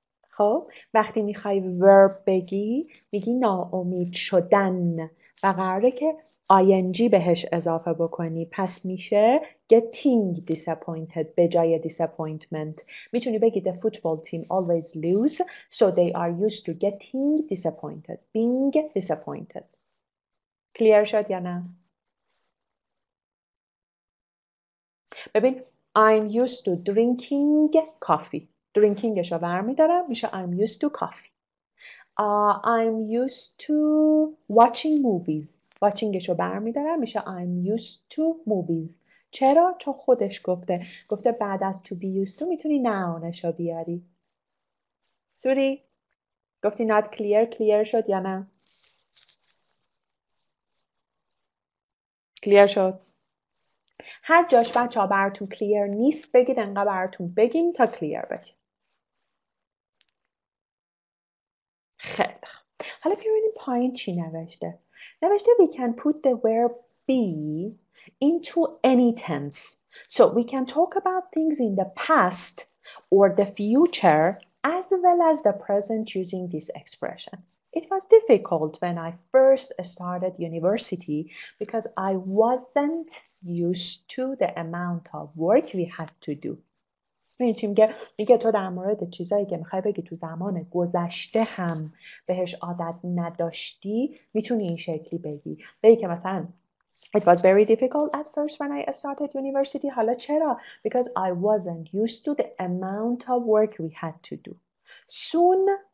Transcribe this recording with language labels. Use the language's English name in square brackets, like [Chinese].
[Persian] خب وقتی میخوای verb بگی میگی ناامید شدن و قراره که ing بهش اضافه بکنی، پس میشه [English] getting disappointed [Persian] به جای disappointment. میتونی بگی [English] the football team always lose, so they are used to getting disappointed, being disappointed. Clear [Persian] شد یا نه؟ ببین [English] I'm used to drinking coffee. Drinkingش [Persian] رو برمیدارم میشه [English] I'm used to coffee. I'm used to watching movies. Watchingش [Persian] رو برمیدارم میشه [English] I'm used to movies. [Persian] چرا؟ چون خودش گفته. گفته بعد از to be used to میتونی نونش رو بیاری. سوری گفتی [English] not clear. [Persian] Clear شد یا نه؟ Clear شد. هر جاش بچه ها براتون کلیر نیست بگید انقدر براتون بگیم تا کلیر بشه. خیلی حالا ببینیم پایین چی نوشته. نوشته [English] we can put the verb be into any tense. So we can talk about things in the past or the future as well as the present using this expression. It was difficult when I first started university because I wasn't used to the amount of work we had to do. [Persian] ببینید چی میگه؟ میگه تو در مورد چیزایی که میخوای بگی تو زمان گذشته هم بهش عادت نداشتی میتونی این شکلی بگی. بگی که مثلا [English] It was very difficult at first when I started university. [Persian] حالا چرا؟ [English] Because I wasn't used to the amount of work we had to do. Soon